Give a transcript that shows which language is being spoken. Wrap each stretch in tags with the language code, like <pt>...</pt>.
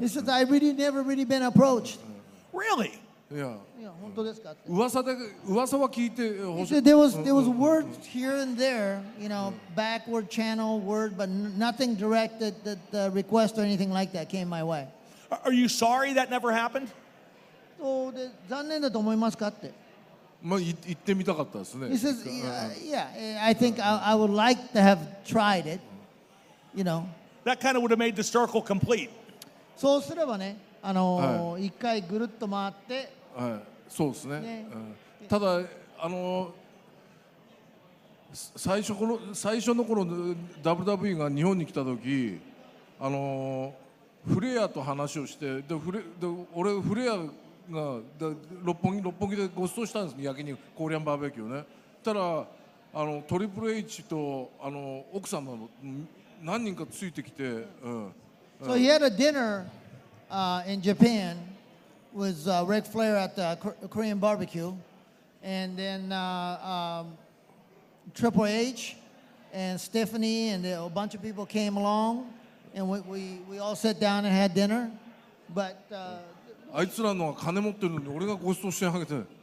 <en>He says, I really never really been approached. Really?</en> <ja>Yeah. 本当ですかって。噂は聞いてほしい。</ja> <en>There was words here and there, you know, backward channel word, but nothing directed that the request or anything like that came my way. Are you sorry that never happened?</en> <ja>残念だと思いますかって。まあ行ってみたかったですね。</ja> <en>He says, yeah, I think I would like to have tried it. You know. That kind of would have made the circle complete.</en> <ja>そうすればね、一回ぐるっと回って。はい、そうですね。ただ、最初の頃、WWE が日本に来た時、フレアと話をしてでで俺フレアがで六本木でごちそうしたんです焼肉コリアンバーベキューねたらトリプル H と奥様の何人かついてきて、うん、</ja> <en>So he had a dinner in Japan with Ric Flair at the Korean barbecue and then Triple H and Stephanie and a bunch of people came alongAnd we all sat down and had dinner, but.</en> <ja>あいつらのは金持ってるのに俺がごちそうしてあげて。</ja>